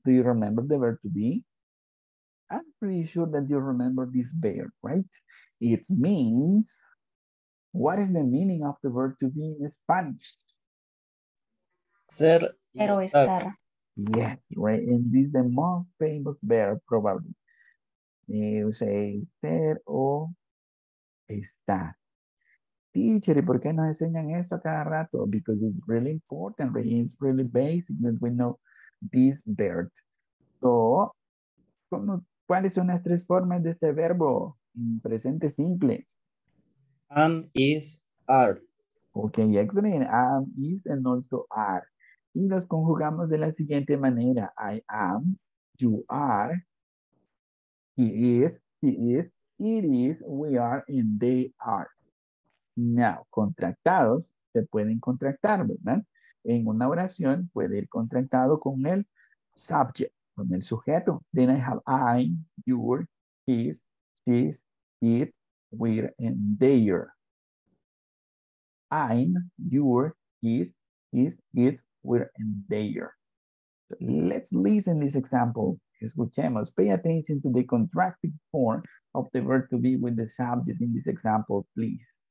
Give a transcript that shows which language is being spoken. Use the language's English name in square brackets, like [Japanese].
[English] Do you remember the verb to be? I'm pretty sure that you remember this verb, right? It means What is the meaning of the verb to be in Spanish? [Spanish] Ser. Pero estar. [English] Yes, right. And this is the most famous verb, probably. You say [Spanish] ser o estar. Teacher, ¿por qué nos enseñan esto a cada rato? [English] Because it's really important, right? It's really basic that we know this verb. [Spanish] So, ¿cómo, ¿cuáles son las tres formas de este verbo en presente simple? [English] Am, is, are. Okay, excellent. Am, is, and also are. [Spanish] Y los conjugamos de la siguiente manera. [English] I am, you are, he is, it is, we are, and they are. [Spanish] Now, contractados se pueden contractar, ¿verdad? En una oración puede ir contractado con el subject, con el sujeto. [English] Then I have I, your, his, she's, it, we're, and they're. I'm, your, his, it, we're, and they're. So let's listen this example. [Spanish] Escuchemos. [English] Pay attention to the contracted form of the verb to be with the subject in this example, please.